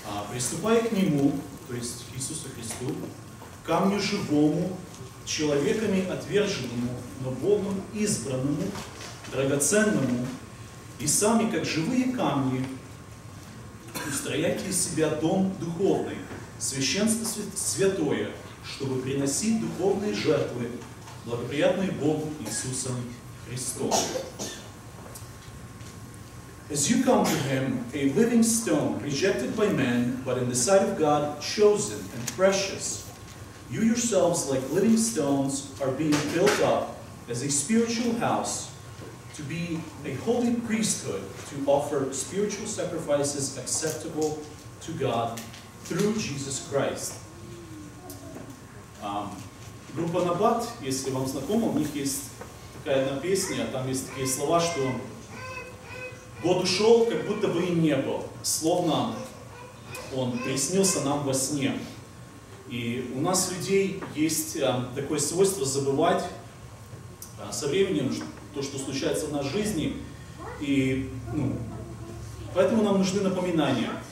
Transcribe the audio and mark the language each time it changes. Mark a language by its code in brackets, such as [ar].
[ru] «Приступай к Нему, то есть к Иисусу Христу, камню живому, человеками отверженному, но Богом избранному, драгоценному, и сами, как живые камни, устрояйте из себя дом духовный, священство святое, чтобы приносить духовные жертвы, благоприятные Богу Иисусом Христом». [en] As you come to Him, a living stone, rejected by men, but in the sight of God, chosen and precious, you yourselves, like living stones, are being built up as a spiritual house to be a holy priesthood, to offer spiritual sacrifices acceptable to God through Jesus Christ. [ru] Группа Набат, если вам знакома, у них есть такая одна песня, там есть такие слова, что «Год ушел, как будто бы и не был, словно он приснился нам во сне». И у нас людей есть такое свойство забывать со временем то, что случается в нашей жизни, и поэтому нам нужны напоминания.